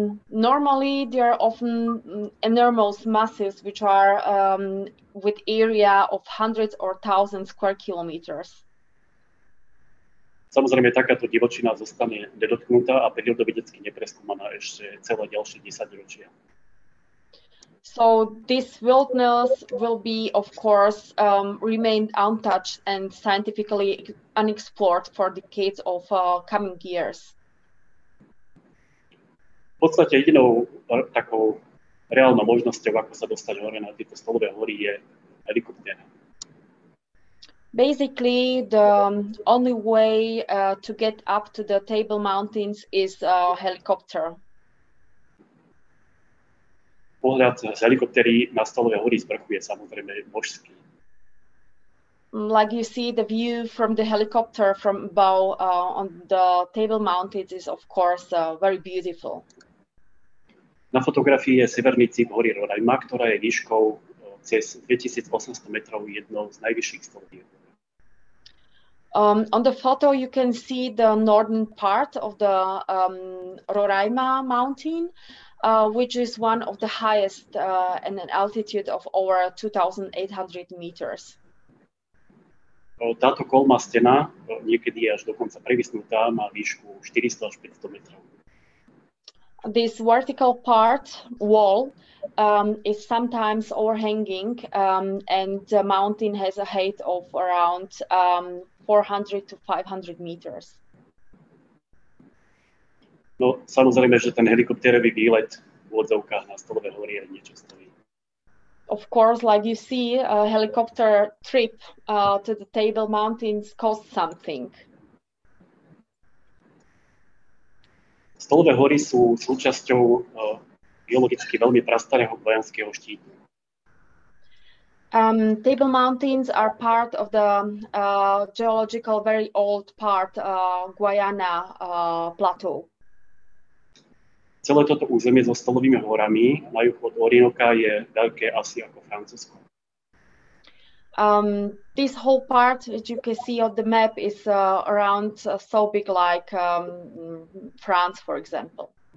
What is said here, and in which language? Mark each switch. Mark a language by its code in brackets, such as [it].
[en] Normally there are often enormous masses which are with area of hundreds or thousands square kilometers. [sk] Samozrejme, takáto divočina zostane nedotknutá a prírodovedecky nepreskúmaná ešte celé ďalšie 10 ročia. [en] So this wilderness will be of course remain untouched and scientifically unexplored for decades of coming years. [sk] V podstate jedinou takou reálnou možnosťou, ako sa dostať hore na tieto stolové hory, je helikopter. [en] Basically, the only way to get up to the Table Mountains is a helicopter. [sk] Pohľad z helikoptery na stolové hory z vrchu je samozrejme božský. [en] Like you see, the view from the helicopter from above on the Table Mountains is of course very beautiful. [sk] Na fotografii je severný cíp hory Roraima, ktorá je výškou cez 2800 metrov jednou z najvyšších stolových hor. [en] On the photo you can see the northern part of the Roraima mountain, which is one of the highest in an altitude of over 2800 meters. [sk] Táto kolmá stena, niekedy je až dokonca previsnutá, má výšku 400 až 500 metrov. [en] This vertical part wall is sometimes overhanging and the mountain has a height of around 400 to 500 meters. [sk] No, samozrejme, že ten helikopterový výlet v úvodzovkách na stolové hory je niečo stojí. [en] Of course, like you see, a helicopter trip to the Table Mountains costs something. [sk] Stolové hory sú súčasťou geologicky veľmi prastarého vojenského štítu. [en] Table Mountains are part of the geological very old part Guayana plateau. [sk] Celé toto územie so stolovými horami na juhu od Orinoka je veľké asi ako Francúzsko. [en] This whole part, as you can see on the map, is around so big like France, for example.